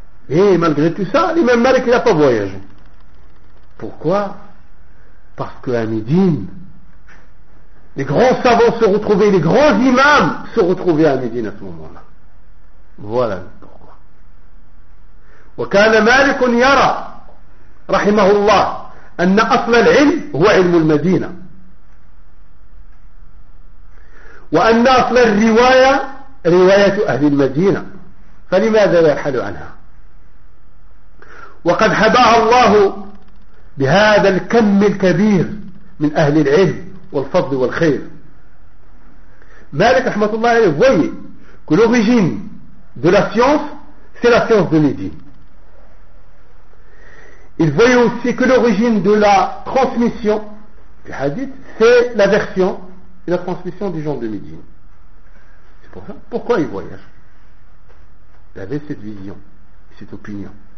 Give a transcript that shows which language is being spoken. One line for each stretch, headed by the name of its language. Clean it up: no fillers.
French: إيه malgré tout ça l'imam Malik n'a pas voyagé pourquoi parce que à Médine Les grands savants se retrouvaient, les grands imams se retrouvaient à Médine à ce moment-là. Voilà pourquoi.
Arabic: وكان مالك يرى رحمه الله أن أصل العلم هو علم المدينة وأن أصل الرواية رواية أهل المدينة فلماذا يرحل عنها؟ وقد هداها الله بهذا الكم الكبير من أهل العلم. والفضل والخير مالك رحمة الله عليه
French: voyez que l'origine de la science c'est la science de Médine il voyait aussi que l'origine de la transmission du hadith c'est la version et la transmission des gens de Médine c'est pour ça pourquoi il voyage il avait cette vision cette opinion